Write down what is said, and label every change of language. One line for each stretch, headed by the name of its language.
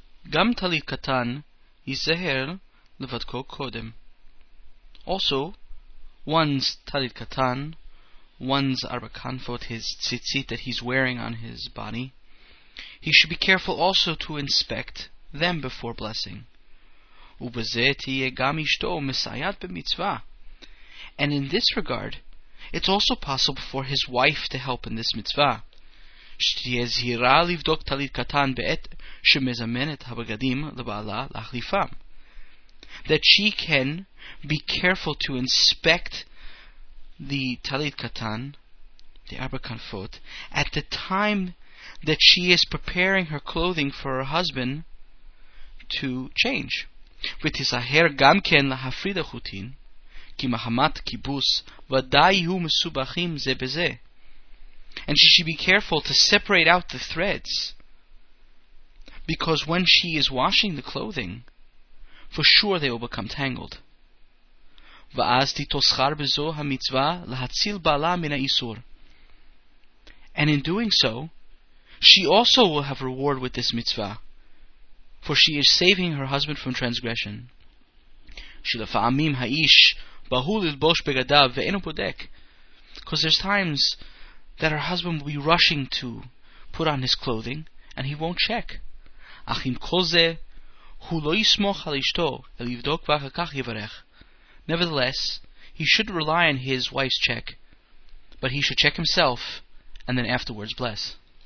Hebrew: גם טלית קטן ייזהר לבדקו קודם.
English: Also, one's טלית קטן, one's ארבע כנפות, his tzitzit that he's wearing on his body, he should be careful also to inspect them before blessing.
Hebrew: ובזה תהיה גם אשתו מסייעת במצווה.
English: And in this regard, it's also possible for his wife to help in this mitzvah.
Hebrew: שתהיה זהירה לבדוק טלית קטן בעת שמזמנת הבגדים לבעלה להחליפם.
English: That she can be careful to inspect the talit katan, the arba kanfot, at the time that she is preparing her clothing for her husband to change.
Hebrew: ותיזהר גם כן להפריד החוטין, כי מחמת כיבוס ודאי יהיו מסובכים זה בזה.
English: And she should be careful to separate out the threads, because when she is washing the clothing, for sure they will become tangled.
Hebrew: ואז תתוסחר בזו המצווה להציל בעלה מן האיסור.
English: And in doing so, she also will have reward with this mitzvah, for she is saving her husband from transgression.
Hebrew: שלפעמים האיש בהול ללבוש בגדיו ואינו בודק,
English: because there's times that her husband will be rushing to put on his clothing and he won't check.
Hebrew: אך אם כל זה הוא לא יסמוך על אשתו אלא יבדוק ואחר כך יברך.
English: Nevertheless, he shouldn't rely on his wife's check, but he should check himself and then afterwards bless.